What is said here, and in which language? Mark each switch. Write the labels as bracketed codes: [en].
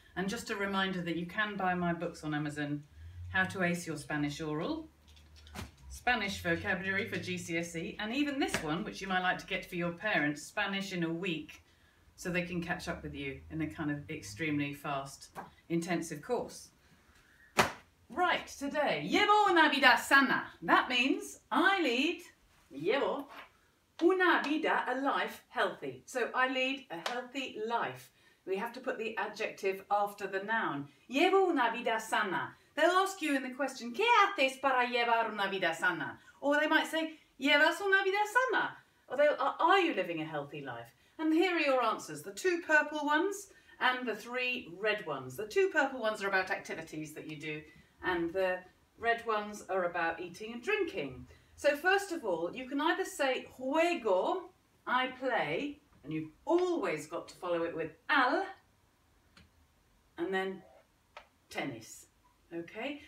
[en] And just a reminder that you can buy my books on Amazon, How to Ace Your Spanish Oral, Spanish Vocabulary for GCSE, and even this one, which you might like to get for your parents, Spanish in a Week, so they can catch up with you in a kind of extremely fast, intensive course. Right, today, [es] llevo una vida sana. [en] That means I lead, [es] llevo una vida, [en] a life, healthy. So I lead a healthy life. We have to put the adjective after the noun. [es] Llevo una vida sana. [en] They'll ask you in the question, [es] ¿qué haces para llevar una vida sana? [en] Or they might say, [es] ¿llevas una vida sana? [en] Or they'll, are you living a healthy life? And here are your answers, the two purple ones and the three red ones. The two purple ones are about activities that you do, and the red ones are about eating and drinking. So first of all, you can either say juego, I play, and you've always got to follow it with al, and then tennis, okay?